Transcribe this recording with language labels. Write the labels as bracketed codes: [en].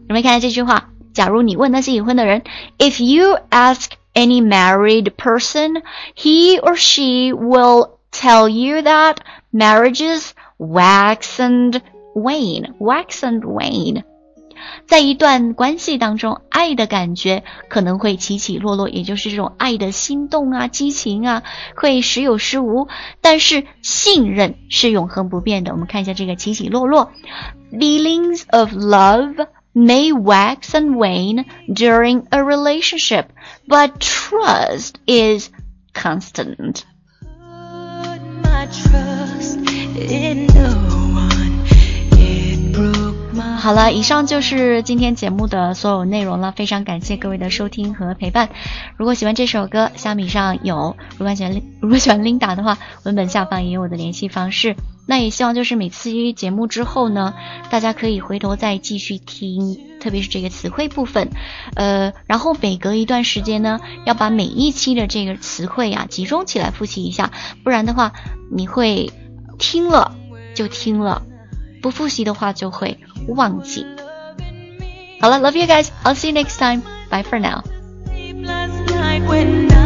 [zh] 我们来看一下这句话，假如你问那些已婚的人， [en] If you ask any married person, he or she will tell you that marriages wax and wane, wax and wane。 [zh] 在一段关系当中，爱的感觉可能会起起落落，也就是这种爱的心动啊、激情啊，会时有时无，但是信任是永恒不变的。我们看一下这个起起落落， [en] Feelings of love may wax and wane during a relationship, but trust is constant. Put my trust in no one. It broke my... [zh] 好了，以上就是今天节目的所有内容了，非常感谢各位的收听和陪伴。如果喜欢这首歌，虾米上有，如果喜欢 Linda 的话，文本下方也有我的联系方式。那也希望就是每次节目之后呢，大家可以回头再继续听，特别是这个词汇部分，然后每隔一段时间呢，要把每一期的这个词汇啊集中起来复习一下，不然的话你会听了就听了，不复习的话就会忘记。好了， [en] Love you guys, I'll see you next time, bye for now.